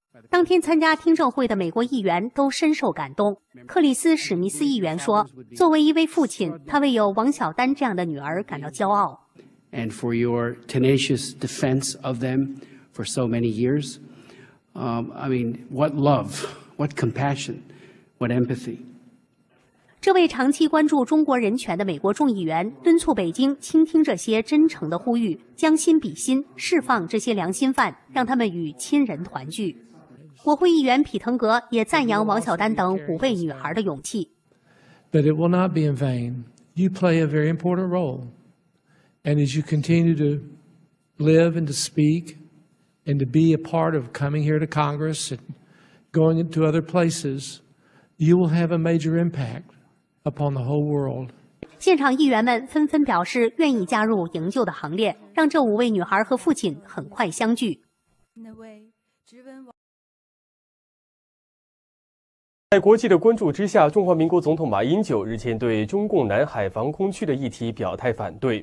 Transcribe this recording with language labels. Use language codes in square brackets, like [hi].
[zh] 当天参加听证会的美国议员都深受感动。克里斯·史密斯议员说，作为一位父亲，他为有王小丹这样的女儿感到骄傲。 [en] And for your tenacious defense of them. For so many years, I mean, what love, what compassion, what empathy. [zh] 这位长期关注中国人权的美国众议员敦促北京倾听这些真诚的呼吁，将心比心，释放这些良心犯，让他们与亲人团聚。国会议员皮腾格也赞扬王小丹等五位女孩的勇气。 [en] But it will not be in vain. You play a very important role, and as you continue to live and to speak. And to be a part of coming here to Congress and going into other places, you will have a major impact upon the whole world. [zh] 现场议员们纷纷表示愿意加入营救的行列，让这五位女孩和父亲很快相聚。在国际的关注之下，中华民国总统马英九日前对中共南海防空区的议题表态反对。